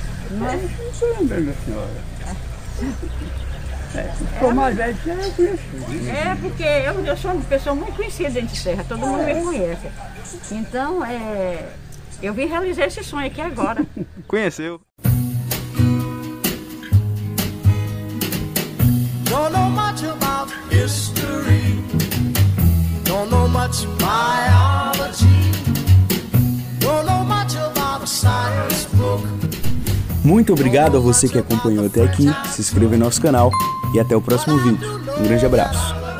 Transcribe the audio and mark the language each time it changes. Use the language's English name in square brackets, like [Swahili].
[Portuguese] Não é? Não é, minha senhora. Ficou mais velho que eu, bicho. É, porque eu sou uma pessoa muito conhecida dentro de Serra, todo mundo me conhece. Então, eu vim realizar esse sonho aqui agora. Conheceu? [English] Don't know much about history. Don't know much biology. Don't know much about a science book. [Portuguese] Muito obrigado a você que acompanhou até aqui. Se inscreva em nosso canal e até o próximo vídeo. Um grande abraço.